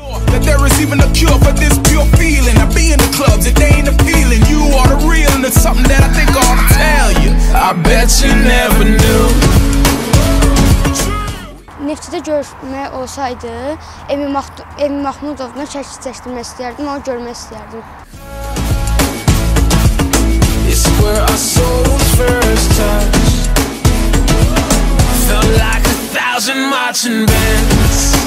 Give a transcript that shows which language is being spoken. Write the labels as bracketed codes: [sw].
[en] That there is even a cure for this pure feeling. I be in the clubs, it ain't a feeling. You are the real, and it's something that I think I ought to tell you. I bet you never knew. [az] Neftçidə görmək olsaydı, Emin Mahmudovla çəkiş-çəkdirmək istəyərdim, onu görmək istəyərdim. [en] It's where our souls first touched. Felt like a thousand marching bands.